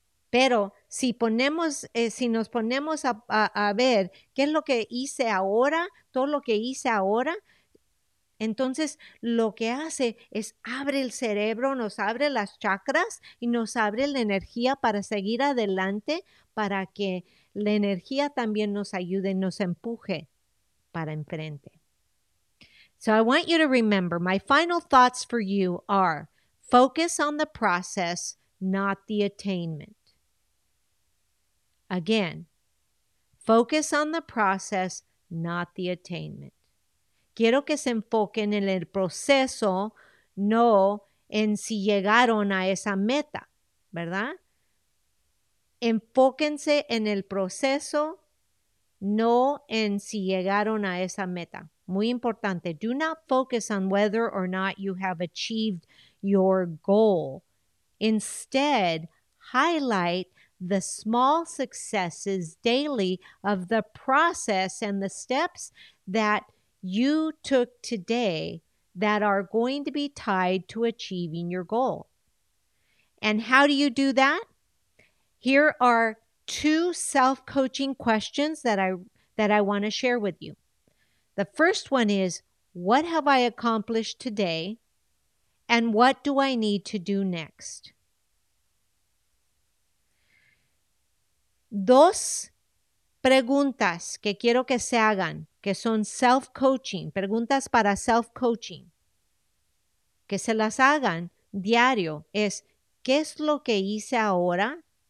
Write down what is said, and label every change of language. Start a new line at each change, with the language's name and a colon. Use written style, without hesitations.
Spanish: Pero si nos ponemos a ver qué es lo que hice ahora, todo lo que hice ahora, entonces lo que hace es abre el cerebro, nos abre las chakras y nos abre la energía para seguir adelante, para que la energía también nos ayude y nos empuje para enfrente.
English: So I want you to remember, my final thoughts for you are, focus on the process, not the attainment. Again, focus on the process, not the attainment.
Spanish: Quiero que se enfoquen en el proceso, no en si llegaron a esa meta, ¿verdad? Enfóquense en el proceso, no en si llegaron a esa meta. Muy importante.
English: Do not focus on whether or not you have achieved your goal. Instead, highlight the small successes daily of the process and the steps that you took today that are going to be tied to achieving your goal. And how do you do that? Here are two self-coaching questions that I want to share with you. The first one is, what have I accomplished today? And what do I need to do next?
Spanish: Dos preguntas que quiero que se hagan, que son self-coaching, preguntas para self-coaching, que se las hagan diario, es ¿qué es lo que hice ahora?